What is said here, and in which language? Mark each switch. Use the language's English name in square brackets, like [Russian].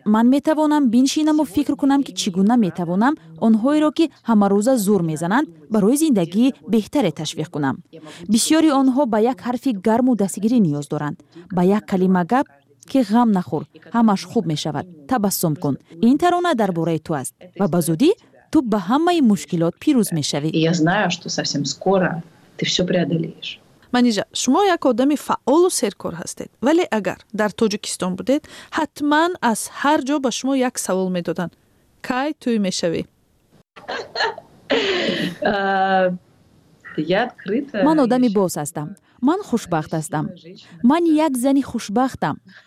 [Persian] من می توانم بینشینم و فکر کنم که چگونه می توانم اونهای را که همه روزه زور می زنند برای زندگی بهتر تشویق کنم. بسیاری آنها به یک حرف گرم و دستگیری نیاز دارند. به یک کلمه گپ که غم نخور، همش خوب می شود، تبسم کن. این ترانه در باره تو است و به زودی تو به همه مشکلات پیروز می شوی. [Russian] Я знаю, что совсем скоро ты все преодолеешь. [Persian] منیجه، شما یک آدم فعال و سرکار هستید. ولی اگر در تاجیکستان بودید، حتما از هر جا به شما یک سوال می دادن. کی توی می شوی؟ من آدم باز هستم. من خوشبخت هستم. من یک زنی خوشبختم.